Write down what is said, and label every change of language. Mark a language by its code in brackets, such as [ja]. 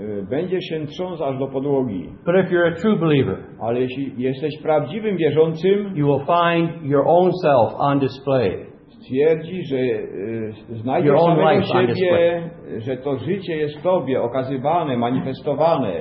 [pl] Będzie się trząsł aż do podłogi. [en] But if you're a true believer, [pl] ale jeśli jesteś prawdziwym wierzącym, [en] you will find your own self on display. [pl] Stwierdzi, że znajdziesz samego siebie, że to życie jest w tobie okazywane, manifestowane.